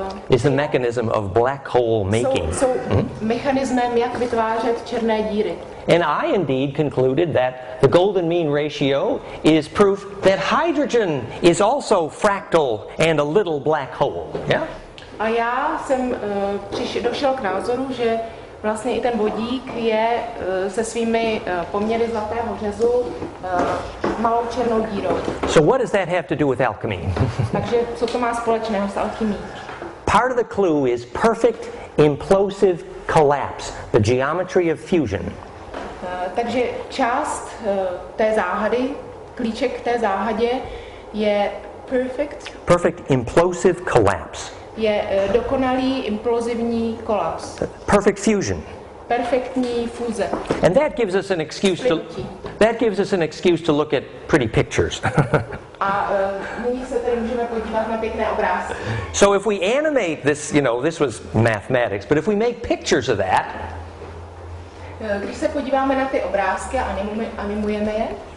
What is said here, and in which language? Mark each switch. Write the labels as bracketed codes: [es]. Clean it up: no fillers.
[en] is the mechanism of black hole making. [cs] Mechanismem, jak vytvářet černé díry. [en] And I indeed concluded that the golden mean ratio is proof that hydrogen is also fractal and a little black hole. Yeah? [cs] A já jsem došel k názoru, že vlastně i ten vodík je se svými poměry zlatého řezu malou černou dírou. [en] So what does that have to do with alchemy? [cs] Takže co to má společného s alchemí? [en] Part of the clue is perfect implosive collapse, the geometry of fusion. [cs] Takže část té záhady, klíček k té záhadě je [en] perfect implosive collapse. [cs] Je dokonalý implozivní kolaps. [en] Perfect fusion. [cs] Perfektní fúze. [en] And that gives us an excuse to look at pretty pictures. [cs] A nyní se tady můžeme podívat na pěkné obrázky. [en] So if we animate this, you know, this was mathematics, but if we make pictures of that, [cs] když se podíváme na ty obrázky a animujeme je,